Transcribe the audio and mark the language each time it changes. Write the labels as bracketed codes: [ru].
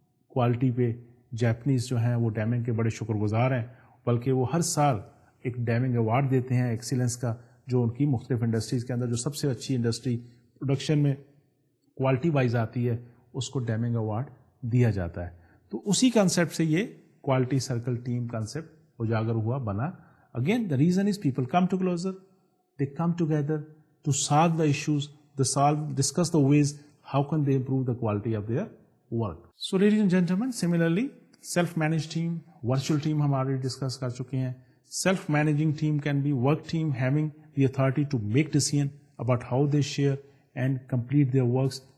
[ur] Quality پہ Japanese جو ہیں وہ ڈیمنگ کے بڑے شکر گزار ہیں, بلکہ وہ ہر سال ایک ڈیمنگ ایوارڈ دیتے ہیں ایکسیلنس کا, جو ان کی مختلف انڈسٹریز کے اندر جو سب سے اچھی انڈسٹری پروڈکشن میں کوالٹی وائز آتی ہے اس کو ڈیمنگ ایوارڈ دیا جاتا ہے. تو اسی کانسیپٹ سے یہ کوالٹی سرکل ٹیم کانسیپٹ اجاگر ہوا بنا. [en] Again the reason is people come to closer, they come together to solve the issues, the solve discuss the ways how can they improve the quality of their work. So ladies and gentlemen, similarly, self-managed team, virtual team, [ur] hum already discussed kar chuke hain. [en] Self-managing team can be work team having the authority to make decision about how they share and complete their works.